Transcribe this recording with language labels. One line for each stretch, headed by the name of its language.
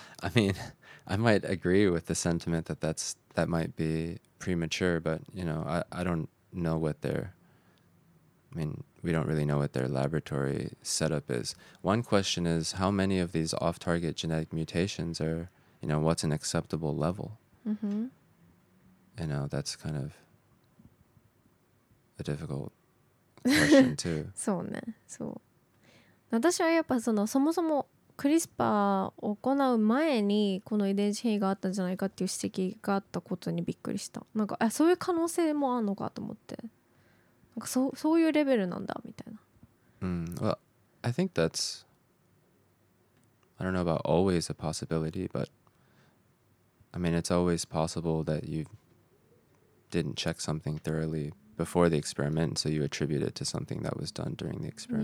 English: I mean, I might agree with the sentiment that that might be premature, but you know, I don't. Know what their, I mean, we don't really know what their laboratory setup is. One question is how many of these off-target genetic mutations are, you know, what's an acceptable level? Mm-hmm. You know, that's kind of a difficult question too.
Japanese: そうね、そう。私はやっぱそのそもそも CRISPR を行う前にこの遺伝子変異があったんじゃないかっていう指摘があったことにびっくりした。なんかそういう可能性もあるのかと思って、なんかそういうレベルなんだみたいな。
English: Well, I think that's, I don't know about always a possibility, but I mean it's always possible that you didn't check something thoroughly before the experiment, so you attribute it to something that was done during the experiment.